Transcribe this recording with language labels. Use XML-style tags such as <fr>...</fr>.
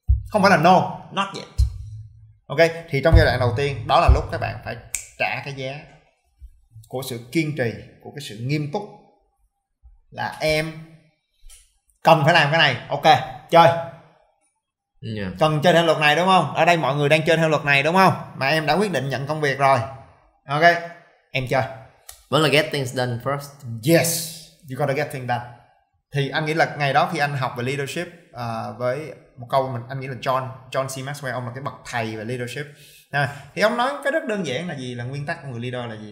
<vi>Không phải là</vi> <en>no, not yet.</en> <vi>Ok, thì trong giai đoạn đầu tiên, đó là lúc các bạn phải trả cái giá của sự kiên trì, của cái sự nghiêm túc, là em cần phải làm cái này, ok chơi. Yeah. Cần chơi theo luật này đúng không? Ở đây mọi người đang chơi theo luật này đúng không? Mà em đã quyết định nhận công việc rồi. Ok, em chơi. Vẫn là</vi> <en>get things done first. Yes, you gotta get things done.</en> <vi>Thì anh nghĩ là ngày đó khi anh học về leadership với một câu mình anh nghĩ là John C. Maxwell, ông là cái bậc thầy về leadership. Nè, thì ông nói cái rất đơn giản là gì? Là nguyên tắc của người leader là gì?</vi>